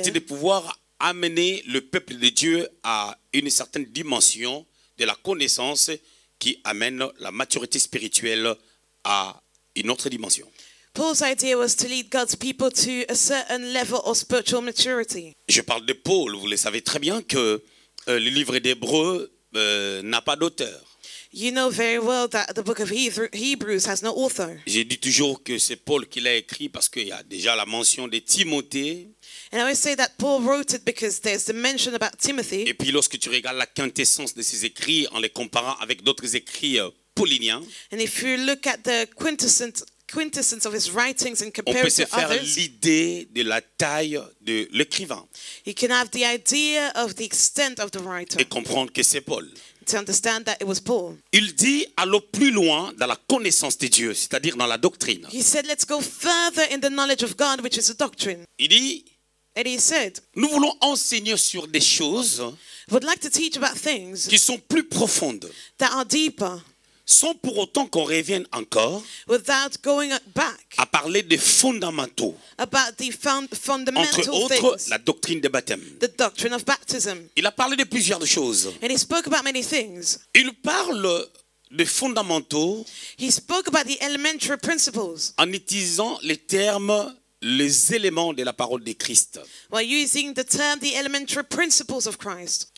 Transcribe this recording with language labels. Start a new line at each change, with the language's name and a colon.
French: était de pouvoir amener le peuple de Dieu à une certaine dimension de la connaissance qui amène la maturité spirituelle à une autre dimension.
English: Paul's idea was to lead God's people to a certain level of spiritual maturity.
French: Je parle de Paul, vous le savez très bien que le livre d'Hébreux n'a pas d'auteur.
English: You know very well that the book of Hebrews has no author.
French: J'ai dit toujours que c'est Paul qui l'a écrit parce qu'il y a déjà la mention de Timothée.
English: And I always say that Paul wrote it because there's the mention about Timothy.
French: Et puis lorsque tu regardes la quintessence de ses écrits en les comparant avec d'autres écrits Paulinien,
English: and if you look at the quintessence of his writings and compare it to others,
French: on peut se faire l'idée de la taille de l'écrivain.
English: You can have the idea of the extent of the writer.
French: Et comprendre que c'est Paul.
English: To understand that it was Paul.
French: Il dit allons plus loin dans la connaissance de Dieu, c'est-à-dire dans la doctrine.
English: He said, let's go further in the knowledge of God, which is the doctrine.
French: Il dit,
English: and he said,
French: nous voulons enseigner sur des choses
English: would like to teach about things
French: qui sont plus profondes.
English: That are deeper.
French: Sans pour autant qu'on revienne encore
English: without going back,
French: à parler des fondamentaux,
English: about the fundamental
French: entre autres
English: things,
French: la doctrine des baptêmes.
English: The doctrine of baptism.
French: Il a parlé de plusieurs choses.
English: And he spoke about many things.
French: Il parle des fondamentaux
English: he spoke about the elementary principles,
French: en utilisant les termes les éléments de la parole de Christ.
English: While using the term, the elementary principles of Christ.